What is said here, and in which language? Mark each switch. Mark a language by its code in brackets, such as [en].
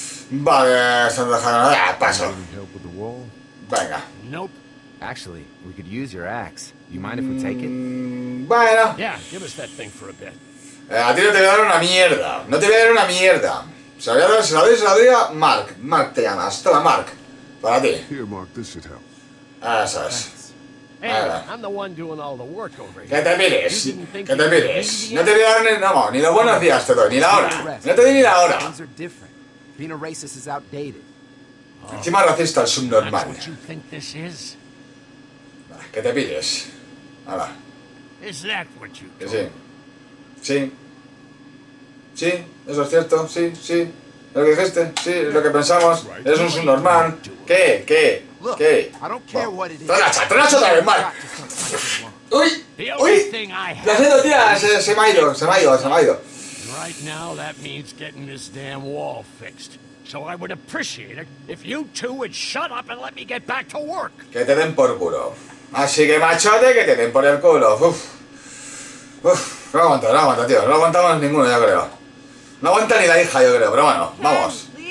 [es] Vale, están dejando nada, paso. Venga. [en] Actually, we could use your axe. You mind if we take it? [es] Bueno. [en] Yeah, give us that thing for a bit. [es] A ti no te voy a dar una mierda. No te voy a dar una mierda. Se la había Mark. Mark te llamas. Toma, Mark. Para ti. [en] Here, Mark, this should help. [es] Ah, sabes. [en] Hey, I'm the one doing all the work over here. [es] Que te mires. Que te mires. No te voy a dar ni, no, ni los buenos días te doy, ni la hora. No te doy ni la hora. [en] Things are different. Being a racist is outdated. [es] Encima racista es subnormal. [en] What you think this is? [es] Que te pilles. Hala. [en] Is that what you think? [es] Sí. Sí. Sí, eso es cierto. Sí, sí. Lo que dijiste. Sí, es lo que pensamos. Eres un subnormal. ¿Qué? ¿Qué? ¿Qué? Tranacha otra vez, Mark. ¡Uy! ¡Uy! Lo siento, tía. Se me ha ido. [en] Right now, that means getting this damn wall fixed. So I would appreciate it if you two would shut up and let me get back to work. [es] Que te den por culo. Así que machote, que te den por el culo. Uf. No aguanto, tío. No aguantamos ninguno, yo creo. No aguanta ni la hija, yo creo. Pero bueno, vamos.